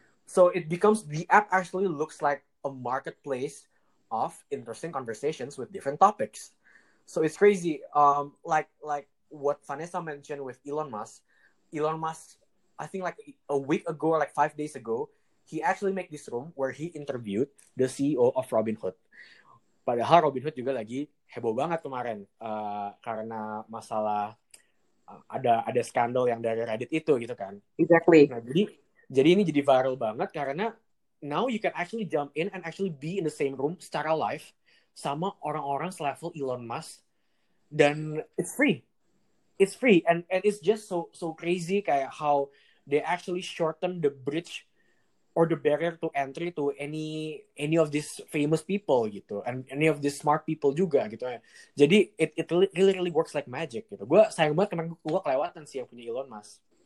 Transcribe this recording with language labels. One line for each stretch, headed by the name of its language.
English: So it becomes the app actually looks like a marketplace of interesting conversations with different topics. So it's crazy. Like what Vanessa mentioned with Elon Musk, Elon Musk, I think like a week ago or like 5 days ago, he actually make this room where he interviewed the CEO of Robinhood.
Indonesian: Padahal Robinhood juga lagi heboh banget kemarin karena masalah ada skandal yang dari Reddit itu gitu kan.
English: Exactly.
Indonesian: Nah, jadi ini jadi viral banget karena
English: now you can actually jump in and actually be in the same room
Indonesian: secara live sama orang-orang selevel
English: Elon Musk, dan it's free. It's free and it's just so crazy kayak how they actually shorten the bridge or the barrier to entry to any of these famous people gitu, and any of these smart people juga gitu. Jadi it really really works like magic gitu.
Indonesian: Gua sayang banget karena gua kelewatan sih yang punya Elon Musk.